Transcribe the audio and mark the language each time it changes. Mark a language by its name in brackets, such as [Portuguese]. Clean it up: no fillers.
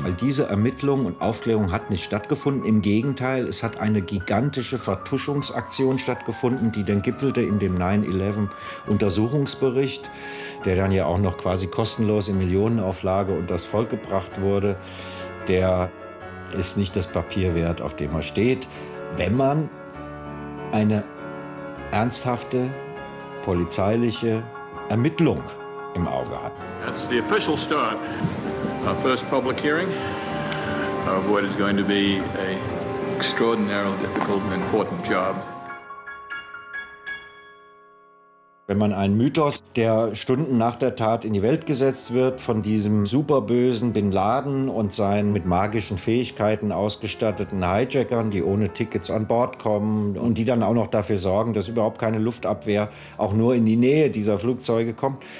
[German] Weil diese Ermittlung und Aufklärung hat nicht stattgefunden. Im Gegenteil, es hat eine gigantische Vertuschungsaktion stattgefunden, die dann gipfelte in dem 9/11-Untersuchungsbericht, der dann ja auch noch quasi kostenlos in Millionenauflage unter das Volk gebracht wurde. Der ist nicht das Papier wert, auf dem er steht. Wenn man eine ernsthafte polizeiliche Ermittlung im Auge hat. [English] That's the official start. Our first public hearing of what is going to be a extraordinarily difficult and important job. [German] Wenn man einen Mythos, der Stunden nach der Tat in die Welt gesetzt wird, von diesem superbösen Bin Laden und seinen mit magischen Fähigkeiten ausgestatteten Hijackern, die ohne Tickets an Bord kommen und die dann auch noch dafür sorgen, dass überhaupt keine Luftabwehr auch nur in die Nähe dieser Flugzeuge kommt.